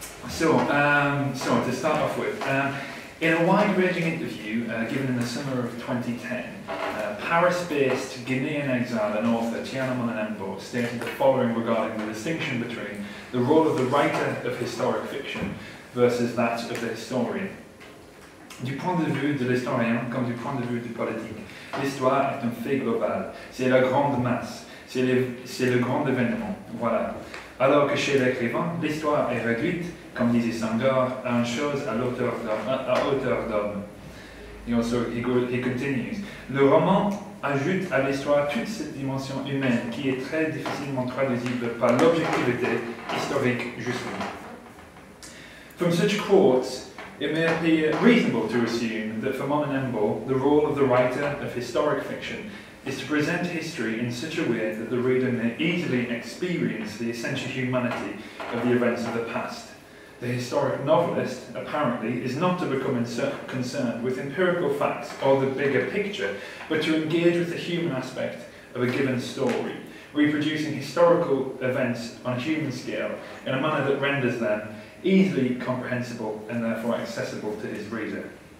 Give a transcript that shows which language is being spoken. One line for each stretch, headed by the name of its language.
English: So to start off with, in a wide-ranging interview given in the summer of 2010, Paris-based Guinean exile and author Tierno Monénembo stated the following regarding the distinction between the role of the writer of historic fiction versus that of the historian.
French: Du point de vue de l'historien comme du point de vue du politique, l'histoire est un fait global, c'est la grande masse, c'est le grand événement, voilà. Alors que chez l'écrivain, l'histoire est réduite, comme disait Senghor, à une chose à l'auteur d'homme. À hauteur d'homme. Et ensuite,
English: he continues.
French: Le roman ajoute à l'histoire toute cette dimension humaine qui est très difficilement traduisible par l'objectivité historique justement.
English: From such quotes, it may appear reasonable to assume that for Monénembo, the role of the writer of historic fiction is to present history in such a way that the reader may easily experience the essential humanity of the events of the past. The historic novelist, apparently, is not to become concerned with empirical facts or the bigger picture, but to engage with the human aspect of a given story, reproducing historical events on a human scale in a manner that renders them easily comprehensible and therefore accessible to his reader.